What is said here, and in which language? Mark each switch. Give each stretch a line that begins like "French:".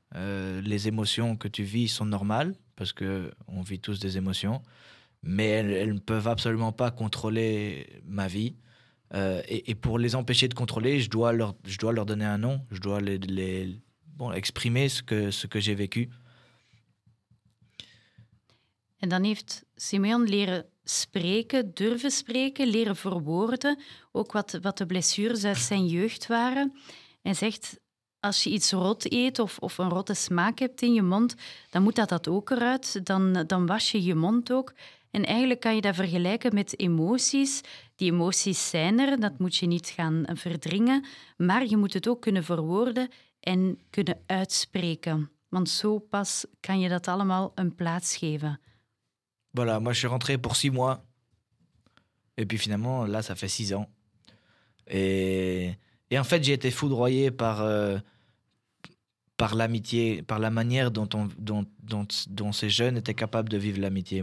French: Les émotions que tu vis sont normales, parce qu'on vit tous des émotions, mais elles ne peuvent absolument pas contrôler ma vie. Et pour les empêcher de contrôler, je dois leur donner un nom, je dois exprimer ce que j'ai vécu.
Dutch: En dan heeft Simeon leren spreken, durven spreken, leren verwoorden, ook wat de blessures uit zijn jeugd waren. Hij zegt, als je iets rot eet of een rotte smaak hebt in je mond, dan moet dat ook eruit, dan was je mond ook. En eigenlijk kan je dat vergelijken met emoties. Die emoties zijn er, dat moet je niet gaan verdringen, maar je moet het ook kunnen verwoorden en kunnen uitspreken. Want zo pas kan je dat allemaal een plaats geven.
French: Voilà, moi, je suis rentré pour 6 mois. Et puis finalement, là, ça fait 6 ans. Et en fait, j'ai été foudroyé par l'amitié, par la manière dont ces jeunes étaient capables de vivre l'amitié.